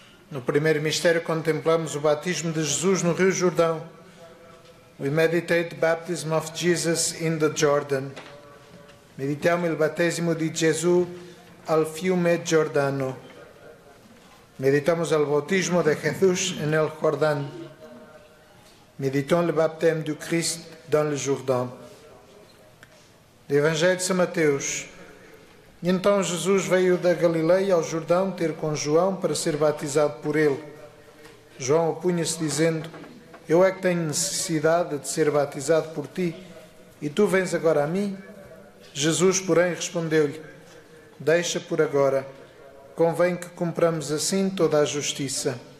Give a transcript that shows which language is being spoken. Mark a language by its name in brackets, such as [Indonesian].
[Portuguese] No primeiro mistério contemplamos o batismo de Jesus no Rio Jordão. [English] We meditate the baptism of Jesus in the Jordan. [Italian] Meditiamo il battesimo di Gesù al fiume Giordano. [Spanish] Meditamos el bautismo de Jesús en el Jordán. [French] Meditons le baptême du Christ dans le Jordan. [Portuguese] Do Evangelho de São Mateus. Então Jesus veio da Galileia ao Jordão ter com João para ser batizado por ele. João opunha-se dizendo, eu é que tenho necessidade de ser batizado por ti e tu vens agora a mim? Jesus, porém, respondeu-lhe, deixa por agora, convém que cumpramos assim toda a justiça.